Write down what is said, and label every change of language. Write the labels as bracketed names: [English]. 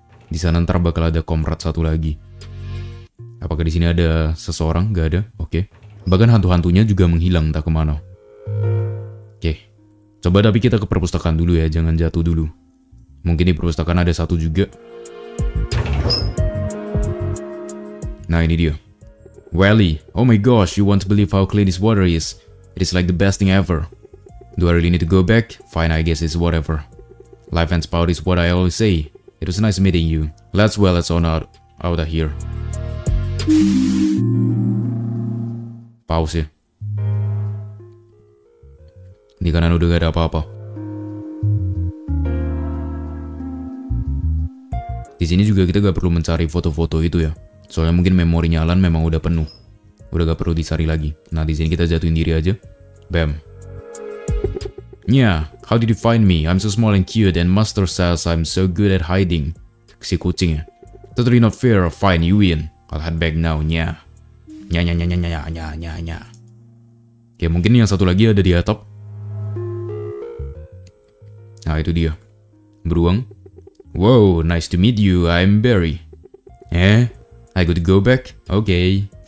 [Indonesian] Di sana ntar bakal ada komrad satu lagi. Apakah di sini ada seseorang? Gak ada. Oke. Okay. Bahkan hantu-hantunya juga menghilang entah kemana. Oke. Okay. Coba tapi kita ke perpustakaan dulu ya. Jangan jatuh dulu. Mungkin di perpustakaan ada satu juga. Nah, ini dia. [English] Welly, oh my gosh, you won't believe how clean this water is. It is like the best thing ever. Do I really need to go back? Fine, I guess it's whatever. Life and spout is what I always say. It was nice meeting you. Let's on out of here. [Indonesian] Pause ya. Di kanan udah gak ada apa-apa. Di sini juga kita gak perlu mencari foto-foto itu ya. Soalnya mungkin memorinya Alan memang udah penuh. Udah gak perlu dicari lagi. Nah, di sini kita jatuhin diri aja. Bam. [English] Yeah, how did you find me? I'm so small and cute and Master says I'm so good at hiding. [Indonesian] Si kucing ya. [English] Totally not fair. Fine, you win. I'll head back now. Nya. [Indonesian] Oke, mungkin yang satu lagi ada di atap. Nah, itu dia. Beruang. [English] Wow, nice to meet you. I'm Barry. I got to go back. Okay.